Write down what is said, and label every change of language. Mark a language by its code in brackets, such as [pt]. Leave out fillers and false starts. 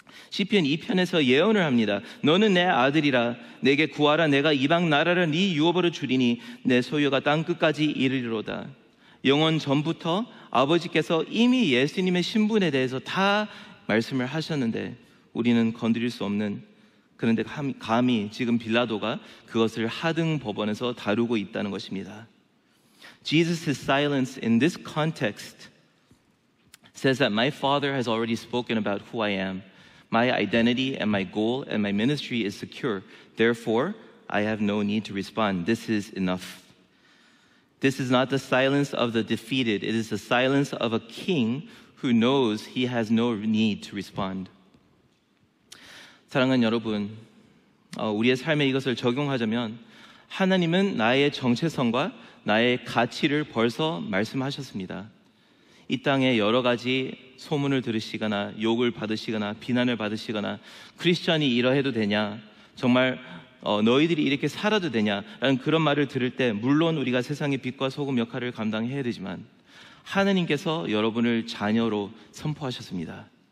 [ko] 시편 2편에서 예언을 합니다. 너는 내 아들이라 내게 구하라 내가 이방 나라를 네 유업으로 주리니 내 소유가 땅끝까지 이르리로다. 영원 전부터 아버지께서 이미 예수님의 신분에 대해서 다 말씀을 하셨는데 우리는 건드릴 수 없는, 그런데 감히 지금 빌라도가 그것을 하등 법원에서 다루고 있다는 것입니다. [en] Jesus' silence in this context says that my father has already spoken about who I am. My identity and my goal and my ministry is secure. Therefore, I have no need to respond. This is enough. This is not the silence of the defeated. It is the silence of a king who knows he has no need to respond. [ko] 사랑하는 여러분, 우리의 삶에 이것을 적용하자면 하나님은 나의 정체성과 나의 가치를 벌써 말씀하셨습니다. 이 땅에 여러 가지 소문을 들으시거나 욕을 받으시거나 비난을 받으시거나 크리스천이 이러해도 되냐, 정말 너희들이 이렇게 살아도 되냐라는 그런 말을 들을 때 물론 우리가 세상의 빛과 소금 역할을 감당해야 되지만 하나님께서 여러분을 자녀로 선포하셨습니다.